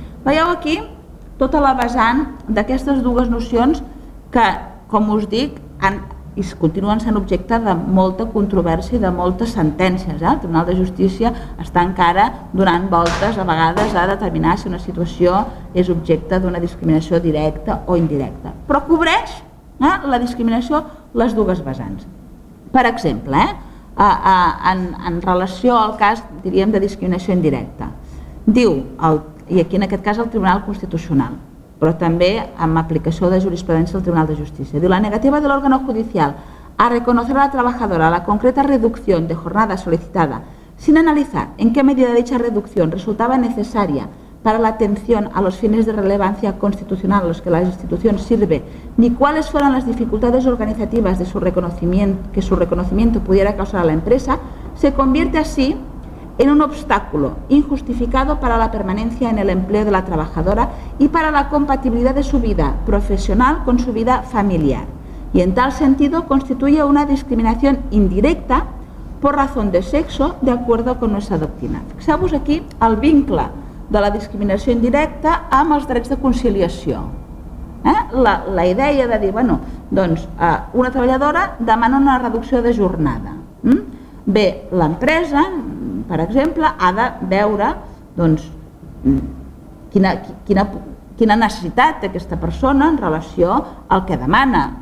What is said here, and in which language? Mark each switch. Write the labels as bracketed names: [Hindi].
[Catalan] Veieu aquí tota la vessant d'aquestes dues nocions que, com us dic, i continuen sent objecte de molta controvèrsia i de moltes sentències. El Tribunal de Justícia està encara donant voltes a vegades a determinar si una situació és objecte d'una discriminació directa o indirecta. Però cobreix la discriminació les dues vessants. Per exemple, en relació al cas, diríem, de discriminació indirecta, diu, i aquí en aquest cas el Tribunal Constitucional, però també amb aplicació de jurisprudència del Tribunal de Justícia, diu, [Spanish] la negativa del órgano judicial a reconocer a la trabajadora la concreta reducción de jornada solicitada sin analizar en qué medida dicha reducción resultaba necesaria para la atención a los fines de relevancia constitucional a los que la institución sirve, ni cuáles fueran las dificultades organizativas de su reconocimiento, que su reconocimiento pudiera causar a la empresa, se convierte así en un obstáculo injustificado para la permanencia en el empleo de la trabajadora y para la compatibilidad de su vida profesional con su vida familiar. Y en tal sentido constituye una discriminación indirecta por razón de sexo de acuerdo con nuestra doctrina. [Catalan] Fixeu-vos aquí el vincle de la discriminació indirecta amb els drets de conciliació. La idea de dir, bueno, doncs, una treballadora demana una reducció de jornada. Bé, l'empresa, per exemple, ha de veure doncs, quina necessitat té aquesta persona en relació al que demana.